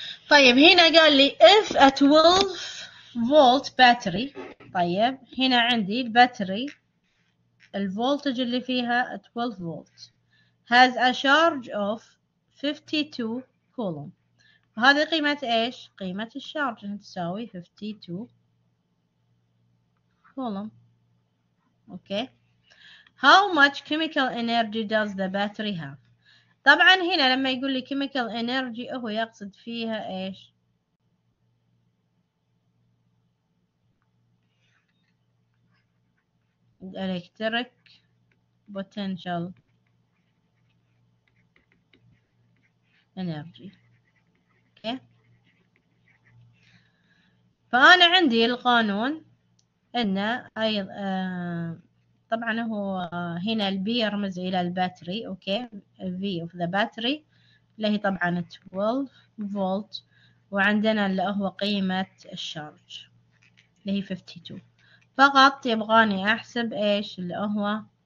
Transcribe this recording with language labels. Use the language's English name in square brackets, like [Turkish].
[Arabic] طيب هنا قال لي [English] if a 12 volt battery، [Arabic] طيب هنا عندي الباتري الفولتج اللي فيها [English] 12 volt has a charge of 52 [Arabic] كولوم، وهذه قيمة ايش؟ قيمة الشارج تساوي 52 كولوم. [English] Okay, how much chemical energy does the battery have؟ [Arabic] طبعا هنا لما يقول لي chemical energy هو يقصد فيها ايش؟ [English] electric potential energy. [Arabic] اوكي، فانا عندي القانون ان ايضا طبعا هو هنا البي يرمز الى الباتري، اوكي، في اوف ذا باتري اللي هي طبعا 12 فولت، وعندنا اللي هو قيمة الشارج اللي هي 52، فقط يبغاني احسب ايش اللي هو